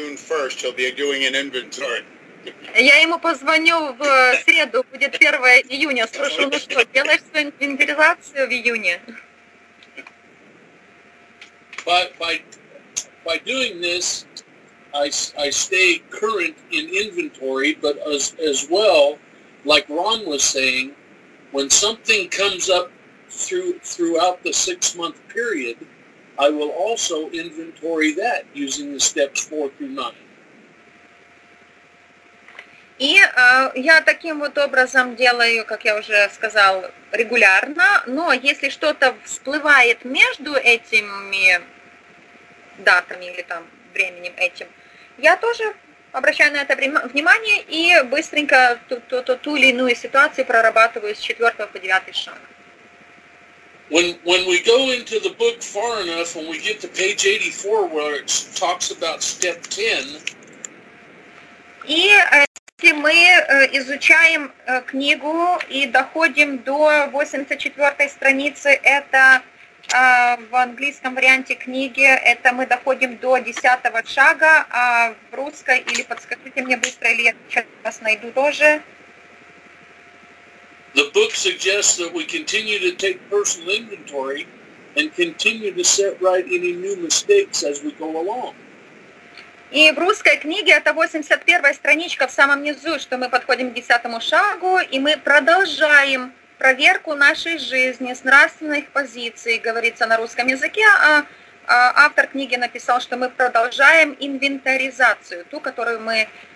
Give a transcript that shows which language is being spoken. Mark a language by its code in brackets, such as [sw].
[ru] Я ему позвоню в среду, будет 1 июня, спрошу, ну что, делаешь свою инвентаризацию в июне? [en] By doing this, I stay current in inventory, but as well, like Ron was saying, when something comes up throughout the 6-month period, I will also inventory that using the steps 4 through 9. [ru] И я таким вот образом делаю, как я уже сказал, регулярно, но если что-то всплывает между этими датами или там временем этим, я тоже обращаю на это внимание и быстренько ту или иную ситуацию прорабатываю с 4 по 9 шаг. [en] When we go into the book far enough, when we get to page 84 where it talks about step 10. [ru] И если мы изучаем книгу и доходим до 84 страницы, это в английском варианте книги, это мы доходим до 10 шага, а в русской, или подскажите мне быстро, или я сейчас вас найду тоже. [en] The book suggests that we continue to take personal inventory and continue to set right any new mistakes as we go along. [ru] И в русской книге это 81 страничка в самом низу, что мы подходим к 10 шагу, и мы продолжаем проверку нашей жизни с нравственных позиций, говорится на русском языке, а автор книги написал, что мы продолжаем инвентаризацию, ту, которую мы...